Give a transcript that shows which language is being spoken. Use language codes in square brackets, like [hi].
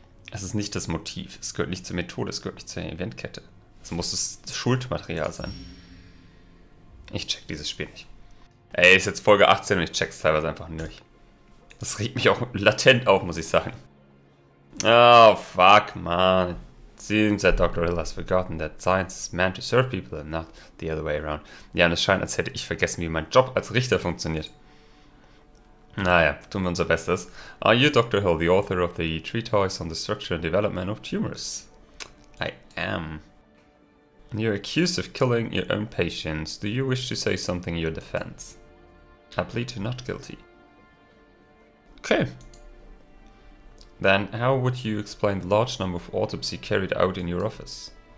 [de] Es ist nicht das Motiv, es gehört nicht zur Methode, es gehört nicht zur Eventkette. Es muss das Schuldmaterial sein. Ich check dieses Spiel nicht. Ey, ist jetzt Folge 18 und ich check's teilweise einfach nicht. Das regt mich auch latent auf, muss ich sagen. [en] Oh, fuck, man. It seems that Dr. Hill has forgotten that science is meant to serve people and not the other way around. [de] Ja, und es scheint, als hätte ich vergessen, wie mein Job als Richter funktioniert. Naja, tun wir unser Bestes. [en] Are you Dr. Hill, the author of the treatise on the structure and development of tumors? I am. You're accused of killing your own patients. Do you wish to say something in your defense? I plead not guilty. Okay. Then how would you explain the large number of autopsies carried out in your office?